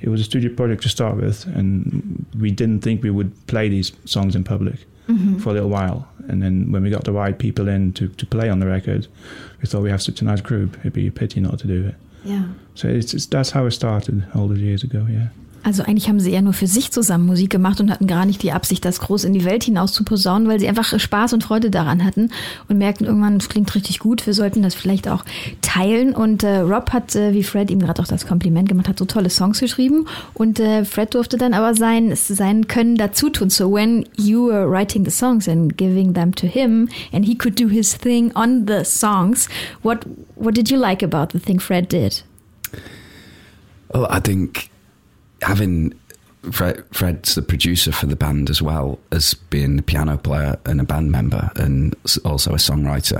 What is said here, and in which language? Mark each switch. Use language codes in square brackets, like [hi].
[en] It was a studio project to start with, and we didn't think we would play these songs in public for a little while. And then when we got the right people in to play on the record, we thought we have such a nice group, it'd be a pity not to do it. Yeah. So it's that's how it started all those years ago, yeah. [de] Also eigentlich haben sie eher nur für sich zusammen Musik gemacht und hatten gar nicht die Absicht, das groß in die Welt hinaus zu posaunen, weil sie einfach Spaß und Freude daran hatten und merkten irgendwann, es klingt richtig gut, wir sollten das vielleicht auch teilen. Und Rob hat, wie Fred ihm gerade auch das Kompliment gemacht hat, so tolle Songs geschrieben. Und Fred durfte dann aber sein Können dazu tun. [en] So when you were writing the songs and giving them to him and he could do his thing on the songs, what did you like about the thing Fred did? Well, I think... Having Fred's the producer for the band as well as being a piano player and a band member and also a songwriter.